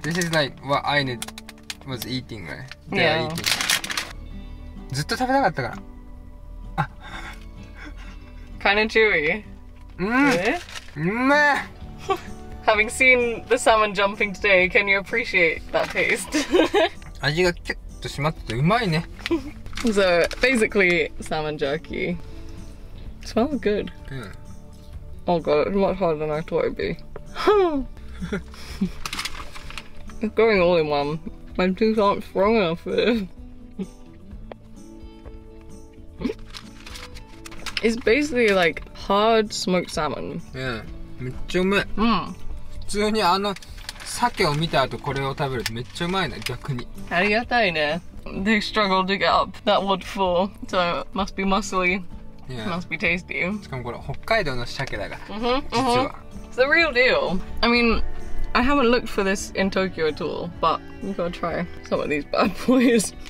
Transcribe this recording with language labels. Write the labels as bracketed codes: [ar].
[en] This is like what Aine was eating, right? Yeah. Kinda chewy. Mmm. Having seen the salmon jumping today, can you appreciate that taste? [ja] 味がキュッとしまっててうまいね。 [en] So basically salmon jerky. Smells good. Oh god, it's much harder than I thought it'd be. It's going all in one. My teeth aren't strong enough for this. It's basically like hard smoked salmon. [ja] Yeah, めっちゃうまい。普通にあの鮭を見た後これを食べるとめっちゃうまいな、逆に。ありがたいね。 [en] They struggled to get up that waterfall, so it must be muscly. Yeah. Must be tasty. [ja] しかもこれ北海道の鮭だから、実は。 [en] It's the real deal. I mean, I haven't looked for this in Tokyo at all, but we gotta try some of these bad boys.